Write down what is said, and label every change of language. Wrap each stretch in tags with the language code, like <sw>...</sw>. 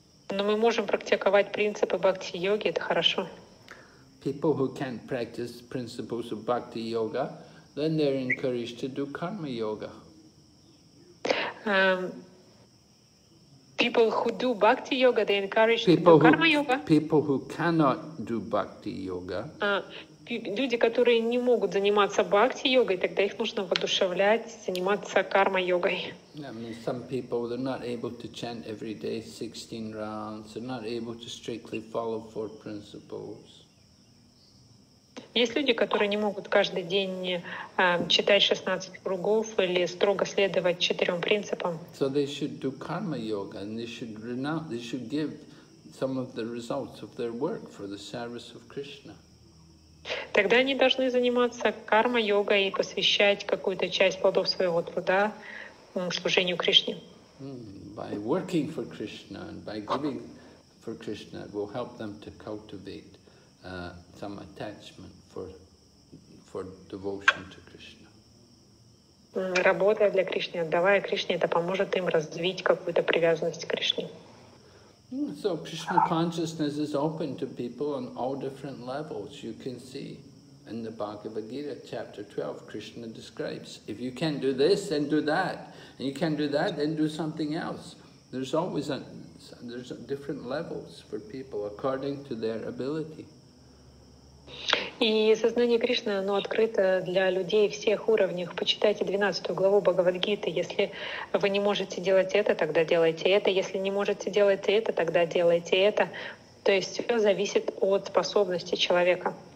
<ru>Но мы можем практиковать принципы бхакти йоги. Это хорошо.</ru> <en>People who can't practice principles of bhakti yoga, then they're encouraged to do karma yoga. People who do bhakti yoga, they encourage people to do karma yoga. People who cannot do bhakti yoga.</en> <ru>Люди, которые не могут заниматься бхакти йогой, тогда их нужно воодушевлять заниматься карма йогой.</ru> <en>I mean, some people they're not able to chant every day 16 rounds. They're not able to strictly follow four principles.</en> <ru>Есть люди, которые не могут каждый день читать 16 кругов или строго следовать четырем принципам.</ru> <en>So they should do karma yoga and they should renounce, they should give some of the results of their work for the service of Krishna.</en> <ru>Тогда они должны заниматься карма йогой и посвящать какую-то часть плодов своего труда служению Кришне.</ru> <en>By working for Krishna and by giving for Krishna will help them to cultivate some attachment for devotion to Krishna.</en> <ru>Работая для Кришны, отдавая Кришне, это поможет им развить какую-то привязанность к Кришне.</ru> <en>So Krishna consciousness is open to people on all different levels. You can see in the Bhagavad Gita chapter 12, Krishna describes, if you can do this, then do that, and you can do that, then do something else. There's always there's different levels for people according to their ability.</en> <ru>И сознание Кришны, оно открыто для людей всех уровней. Почитайте 12 главу Бхагавадгиты. Если вы не можете делать это, тогда делайте это. Если не можете делать это, тогда делайте это. То есть все зависит от способности человека.</ru>